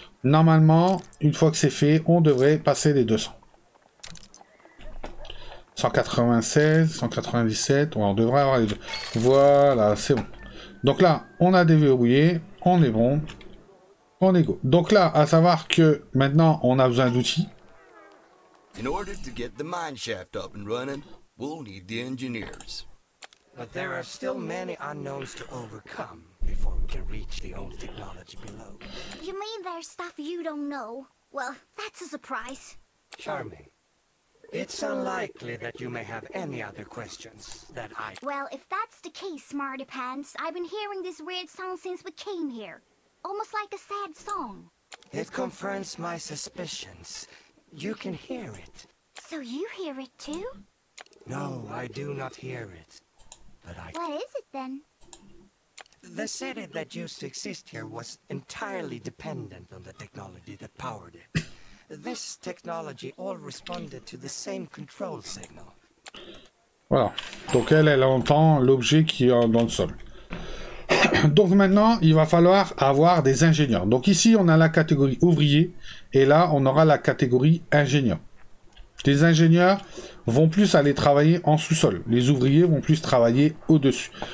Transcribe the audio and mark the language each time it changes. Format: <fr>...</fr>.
<fr>Normalement, une fois que c'est fait, on devrait passer les 200. 196, 197. Ouais, on devrait avoir les deux. Voilà, c'est bon. Donc là, on a déverrouillé. On est bon. On est go. Donc là, à savoir que maintenant, on a besoin d'outils.</fr> <en>In order to get the mine shaft up and running, we'll need the engineers. But there are still many unknowns to overcome before we can reach the old technology below. You mean there's stuff you don't know? Well, that's a surprise. Charming. It's unlikely that you may have any other questions that I... Well, if that's the case, Smarty Pants, I've been hearing this weird song since we came here. Almost like a sad song. It confirms my suspicions. You can hear it. So you hear it too? No, I do not hear it. But I... What is it then? The city that used to exist here was entirely dependent on the technology that powered it. This technology all responded to the same control signal.</en> <fr>Voilà. Donc elle entend l'objet qui est dans le sol. Donc maintenant, il va falloir avoir des ingénieurs. Donc ici, on a la catégorie ouvrier, et là, on aura la catégorie ingénieur. Les ingénieurs vont plus aller travailler en sous-sol. Les ouvriers vont plus travailler au-dessus.</fr>